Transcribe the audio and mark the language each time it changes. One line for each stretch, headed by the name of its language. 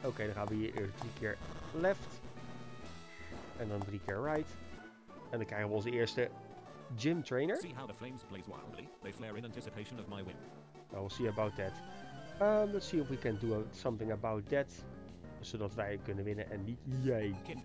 Dutch: Okay, dan gaan we hier eerst 3 keer left. En dan 3 keer right. En dan krijgen we onze eerste gym trainer.
English: See how the flames blaze wildly. They flare in anticipation of my win. Well, we'll see about that. Let's see if we can do something about that.
Dutch: Zodat wij kunnen winnen en niet jij.